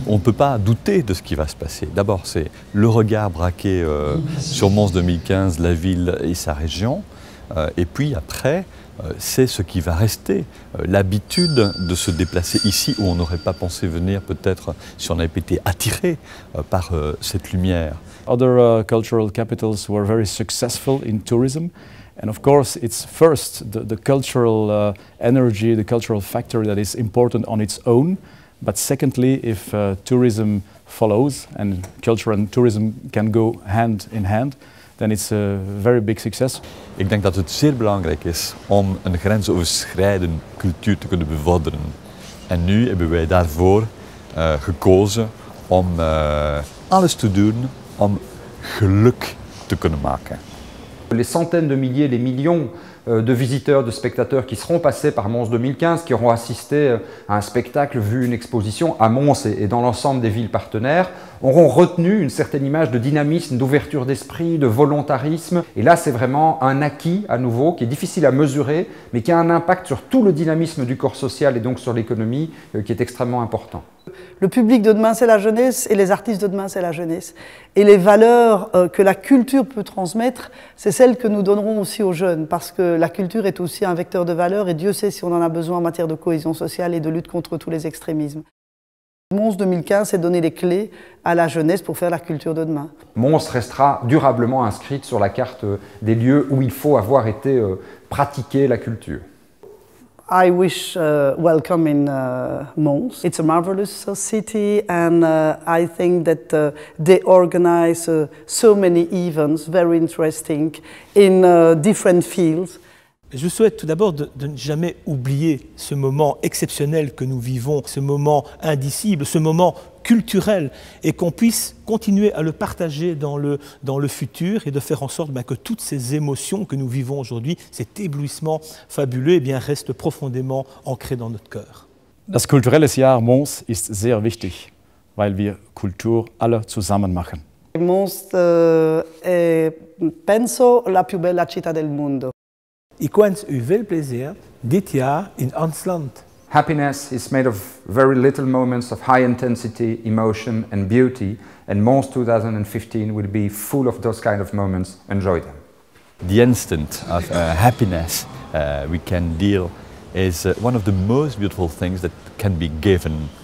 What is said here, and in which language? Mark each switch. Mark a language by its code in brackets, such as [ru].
[fr] On ne peut pas douter de ce qui va se passer. D'abord, c'est le regard braqué sur Mons 2015, la ville et sa région. Et puis après, c'est ce qui va rester. L'habitude de se déplacer ici, où on n'aurait pas pensé venir, peut-être si on avait été attiré par cette lumière. [en] Other cultural capitals were very successful in tourism. And of course, it's first the cultural energy, the cultural factor that is important on its own. But secondly, if tourism follows and culture and tourism can go hand in hand, then it's a very big success. [nl] Ik denk dat het zeer belangrijk is om een grensoverschrijdende cultuur te kunnen bevorderen. En nu hebben wij daarvoor gekozen om alles te doen om geluk te kunnen maken. [fr] les centaines de milliers, les millions de visiteurs, de spectateurs qui seront passés par Mons 2015, qui auront assisté à un spectacle, vu une exposition à Mons et dans l'ensemble des villes partenaires, auront retenu une certaine image de dynamisme, d'ouverture d'esprit, de volontarisme. Et là, c'est vraiment un acquis à nouveau qui est difficile à mesurer, mais qui a un impact sur tout le dynamisme du corps social et donc sur l'économie qui est extrêmement important. Le public de demain, c'est la jeunesse, et les artistes de demain, c'est la jeunesse. Et les valeurs que la culture peut transmettre, c'est celles que nous donnerons aussi aux jeunes, parce que la culture est aussi un vecteur de valeurs, et Dieu sait si on en a besoin en matière de cohésion sociale et de lutte contre tous les extrémismes. Mons 2015, c'est donner les clés à la jeunesse pour faire la culture de demain. Mons restera durablement inscrite sur la carte des lieux où il faut avoir été pratiquer la culture. [en] I wish welcome in Mons. It's a marvelous city, and I think that they organize so many events, very interesting, in different fields. [fr] Je souhaite tout d'abord de ne jamais oublier ce moment exceptionnel que nous vivons, ce moment indicible, ce moment culturel, et qu'on puisse continuer à le partager dans le futur, et de faire en sorte que toutes ces émotions que nous vivons aujourd'hui, cet éblouissement fabuleux, eh bien, restent profondément ancrées dans notre cœur. [de] Das kulturelle Jahr Mons ist sehr wichtig, weil wir Kultur alle zusammen machen. [it] Mons est, penso, la più bella città del mondo. [de] Ich wünsche euch viel plaisir dit Jahr in Ansland. [en] Happiness is made of very little moments of high intensity, emotion and beauty, and Mons 2015 will be full of those kind of moments. Enjoy them. The instant of happiness we can deal is one of the most beautiful things that can be given.